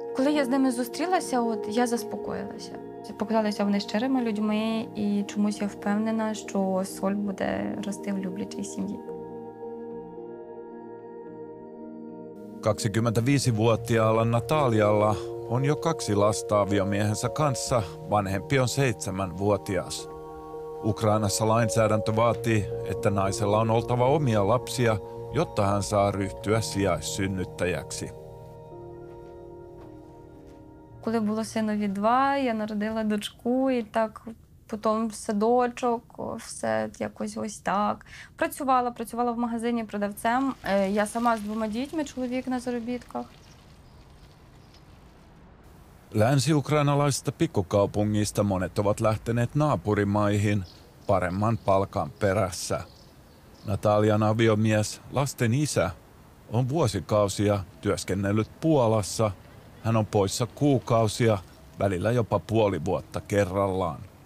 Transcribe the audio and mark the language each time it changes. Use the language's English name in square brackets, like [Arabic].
[Ukrainian] Я з ними зустрілася, от я заспокоїлася. Показалися вони щирими людьми, і чомусь я впевнена, що Соль буде рости в люблячій сім'ї. [Finnish] 25-vuotiaalla Natalialla on jo kaksi lasta aviomiehensä kanssa, vanhempi on 7-vuotias. Ukrainassa lainsäädäntö vaatii, että naisella on oltava omia lapsia, jotta hän saa ryhtyä sijaissynnyttäjäksi. [Ukrainian] Коли було синові два, я народила дочку, і так потім все дочок, все якось ось так. Працювала в магазині продавцем. Я сама з двома дітьми, чоловік на заробітках. [Finnish] Länsi-ukrainalaisista pikkukaupungista monet ovat lähteneet naapurimaihin paremman palkan perässä. Natalian aviomies, lasten isä, on vuosikausia työskennellyt Puolassa. Hän on poissa kuukausia, välillä jopa puoli vuotta kerrallaan.